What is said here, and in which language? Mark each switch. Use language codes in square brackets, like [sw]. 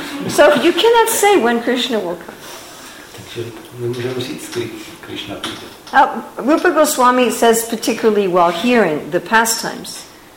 [en] So you cannot say when Krishna will come. [cs] Takže nemůžeme říct, kdy Krishna přijde. [en] Rupa Goswami says particularly well here in the pastimes.